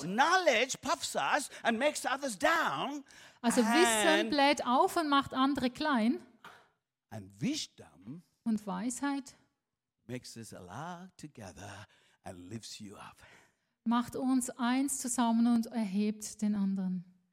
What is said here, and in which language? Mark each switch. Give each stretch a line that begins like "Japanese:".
English: So knowledge puffs us and makes others down.
German: Also Wissen bläht auf und macht andere klein.
English: And wisdom
German: und Weisheit
English: makes us alive together and lifts you up.
German: Macht uns eins zusammen und erhebt den anderen.